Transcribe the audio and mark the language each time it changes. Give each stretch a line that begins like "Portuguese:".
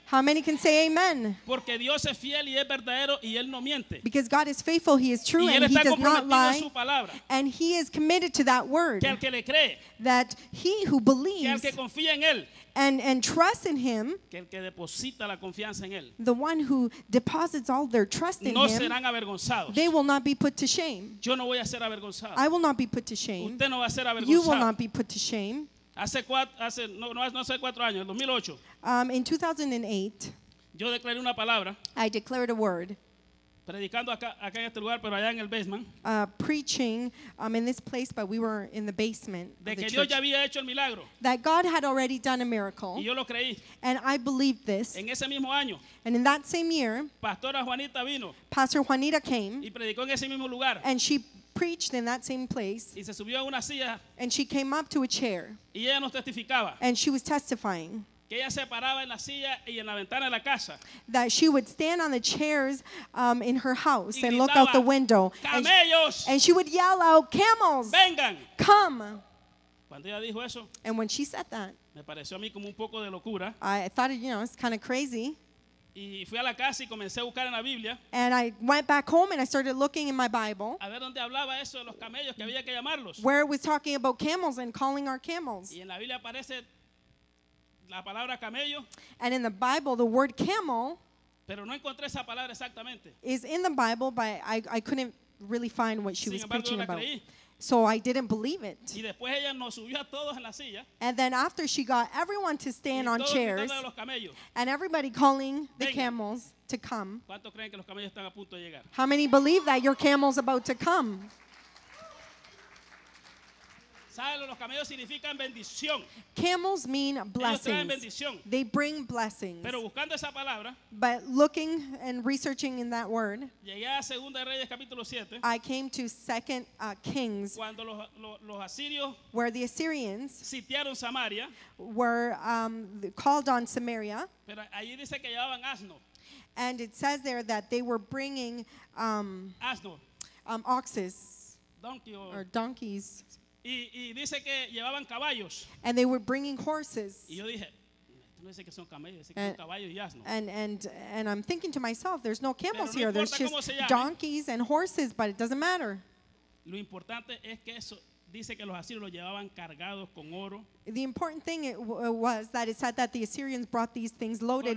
English: How many can say amen?
Spanish: Porque Dios es fiel y es verdadero y él no miente.
English: Because God is faithful, he is true,
Spanish: y
English: and
Spanish: él está
English: he does not lie.
Spanish: A su palabra.
English: And he is committed to that word.
Spanish: Que al que le cree,
English: that he who believes,
Spanish: que al que confía en él,
English: and trust in him,
Spanish: que el que deposita la confianza en él,
English: the one who deposits all their trust in
Spanish: no
English: him,
Spanish: serán avergonzados.
English: They will not be put to shame.
Spanish: Yo no voy a ser avergonzado.
English: I will not be put to shame.
Spanish: Usted no va a ser avergonzado.
English: You will not be put to shame.
Spanish: Hace cuatro años, 2008.
English: In 2008,
Spanish: yo declaré una palabra,
English: I declared a word.
Spanish: Predicando acá en este lugar, pero allá en el basement.
English: Preaching in this place, but we were in the basement.
Spanish: De
English: the
Spanish: que
English: church.
Spanish: Dios ya había hecho el milagro.
English: That God had already done a miracle.
Spanish: Y yo lo creí.
English: And I believed this.
Spanish: En ese mismo año.
English: And in that same year,
Spanish: Pastora Juanita vino.
English: Pastor Juanita came.
Spanish: Y predicó en ese mismo lugar.
English: And she preached in that same place.
Spanish: Y se subió a una silla.
English: And she came up to a chair.
Spanish: Y ella nos testificaba.
English: And she was testifying.
Spanish: Que ella se paraba en la silla y en la ventana de la casa.
English: That she would stand on the chairs in her house
Spanish: y gritaba,
English: and look out the window.
Spanish: ¡Camellos!
English: And she would yell out, camels,
Spanish: vengan,
English: come.
Spanish: Cuando ella dijo eso,
English: and when she said that,
Spanish: me pareció a mí como un poco de locura.
English: I thought, you know, it's kind of crazy.
Spanish: Y fui a la casa y comencé a buscar en la Biblia.
English: And I went back home and I started looking in my Bible.
Spanish: A ver dónde hablaba eso de los camellos que había que llamarlos.
English: Where it was talking about camels and calling our camels.
Spanish: Y en la Biblia aparece la palabra camello,
English: and in the Bible, the word camel,
Spanish: pero no encontré esa palabra exactamente,
English: is in the Bible, but I couldn't really find what she
Spanish: sin
English: was preaching about.
Spanish: Creí.
English: So I didn't believe it.
Spanish: Y después ella nos subió a todos en la silla,
English: and then after she got everyone to stand
Spanish: y todos
English: on chairs,
Spanish: los camellos,
English: and everybody calling the
Spanish: venga,
English: camels to come,
Spanish: ¿cuántos creen que los camellos están a punto de llegar?
English: How many believe that your camel's about to come?
Spanish: Los camellos significan bendición.
English: Camels mean blessings.
Spanish: Ellos traen bendición.
English: They bring blessings.
Spanish: Pero buscando esa palabra,
English: but looking and researching in that word,
Spanish: llegué a Segunda Reyes capítulo 7,
English: I came to Second Kings,
Spanish: cuando los asirios,
English: where the Assyrians
Spanish: sitiaron Samaria,
English: were called on Samaria.
Spanish: Pero allí dice que llevaban asno.
English: And it says there that they were bringing
Spanish: asno.
English: Oxes, donkey or donkeys.
Spanish: Y dice que llevaban caballos.
English: And they were bringing horses.
Spanish: Y yo dije, no dice que son camellos, dice que son caballos y asnos.
English: And I'm thinking to myself, there's no camels no here, there's just donkeys and horses, but it doesn't matter.
Spanish: Lo importante es que eso dice que los asirios los llevaban cargados con oro.
English: The important thing was that it said that the Assyrians brought these things loaded